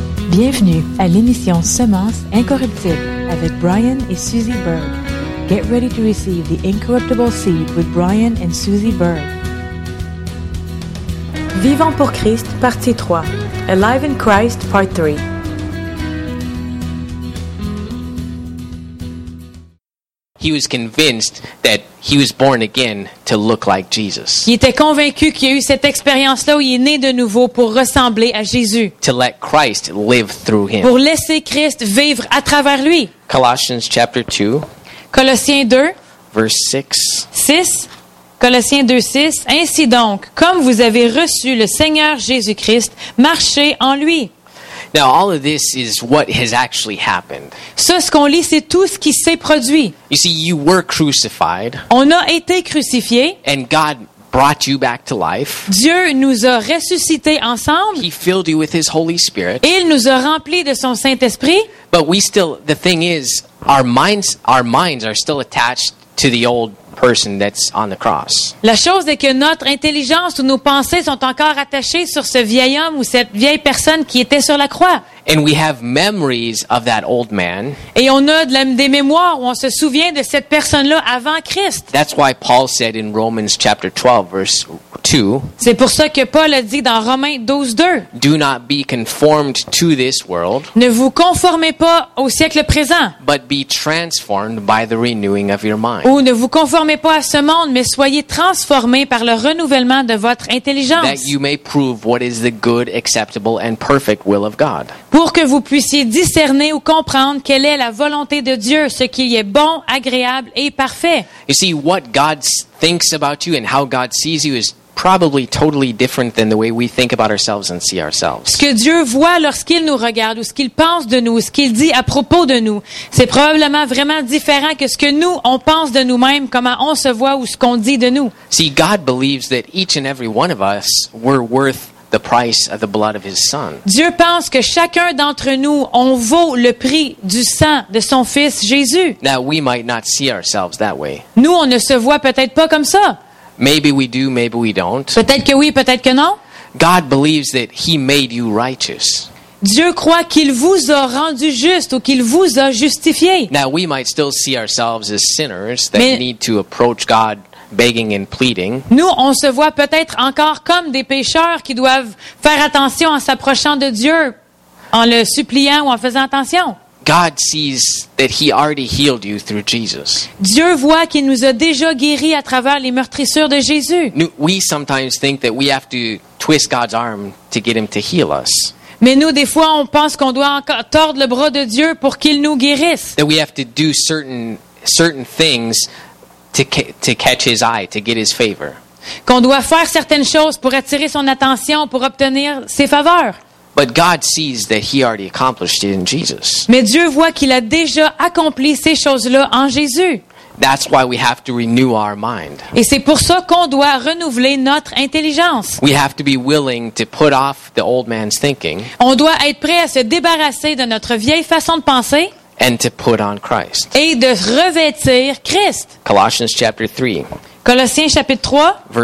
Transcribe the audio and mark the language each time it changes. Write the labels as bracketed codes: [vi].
[fr] Bienvenue à l'émission Semence incorruptible avec Brian et Suzy Berg. [en] Get ready to receive the incorruptible seed with Brian and Suzy Berg. [fr] Vivant pour Christ, partie 3. [en] Alive in Christ, part 3. He was convinced that he was born again to look like Jesus. [fr] Il était convaincu qu'il a eu cette expérience-là où il est né de nouveau pour ressembler à Jésus. [en] To let Christ live through him. [fr] Pour laisser Christ vivre à travers lui. [en] Colossians chapter 2. [fr] Colossiens 2. [en] Verse 6. [fr] 6. Colossiens 2, 6. Ainsi donc, comme vous avez reçu le Seigneur Jésus-Christ, marchez en lui. [en] Now all of this is what has actually happened. [fr] Ça, ce qu'on lit, c'est tout ce qui s'est produit. [en] You see, you were crucified. [fr] On a été crucifié. [en] And God brought you back to life. [fr] Dieu nous a ressuscité ensemble. [en] He filled you with His Holy Spirit. [fr] Il nous a rempli de son Saint-Esprit. [en] But we still, the thing is, our minds are still attached to the old person that's on the cross. [fr] La chose est que notre intelligence ou nos pensées sont encore attachées sur ce vieil homme ou cette vieille personne qui était sur la croix. [en] And we have memories of that old man. [fr] Et on a des mémoires où on se souvient de cette personne-là avant Christ. [en] That's why Paul said in Romans chapter 12 verse 2. [fr] C'est pour ça que Paul a dit dans Romains 12, 2. [en] Do not be conformed to this world. [fr] Ne vous conformez pas au siècle présent. [en] But be transformed by the renewing of your mind. [fr] Ou ne vous conformez pas à ce monde, mais soyez transformés par le renouvellement de votre intelligence. [en] That you may prove what is the good, acceptable and perfect will of God. [fr] Pour que vous puissiez discerner ou comprendre quelle est la volonté de Dieu, ce qui est bon, agréable et parfait. [en] You see, what God thinks about you and how God sees you is probably totally different than the way we think about ourselves and see ourselves. [fr] Ce que Dieu voit lorsqu'il nous regarde ou ce qu'il pense de nous, ce qu'il dit à propos de nous, c'est probablement vraiment différent que ce que nous on pense de nous-mêmes, comment on se voit ou ce qu'on dit de nous. [en] See, God believes that each and every one of us were worth the price of the blood of his son. [fr] Dieu pense que chacun d'entre nous on vaut le prix du sang de son fils Jésus. [en] Now we might not see ourselves that way. [fr] Nous on ne se voit peut-être pas comme ça. [en] Maybe we do, maybe we don't. [fr] Peut-être que oui, peut-être que non. [en] God believes that he made you righteous. [fr] Dieu croit qu'il vous a rendu juste ou qu'il vous a justifié. [en] Now we might still see ourselves as sinners that need to approach God begging and pleading. [fr] Nous, on se voit peut-être encore comme des pécheurs qui doivent faire attention en s'approchant de Dieu, en le suppliant ou en faisant attention. [en] God sees that he already healed you through Jesus. [fr] Dieu voit qu'il nous a déjà guéri à travers les meurtrissures de Jésus. [en] We sometimes think that we have to twist God's arm to get him to heal us. [fr] Mais nous, des fois, on pense qu'on doit encore tordre le bras de Dieu pour qu'il nous guérisse. [en] That we have to do certain things to catch his eye, to get his favor. [fr] Qu'on doit faire certaines choses pour attirer son attention, pour obtenir ses faveurs. [en] But God sees that he already accomplished it in Jesus. [fr] Mais Dieu voit qu'il a déjà accompli ces choses-là en Jésus. [en] That's why we have to renew our mind. [fr] Et c'est pour ça qu'on doit renouveler notre intelligence. [en] We have to be willing to put off the old man's thinking. [fr] On doit être prêt à se débarrasser de notre vieille façon de penser. [en] And to put on Christ. [fr] Et de revêtir Christ. [en] Colossians chapter 3. [fr] Colossiens chapitre 3.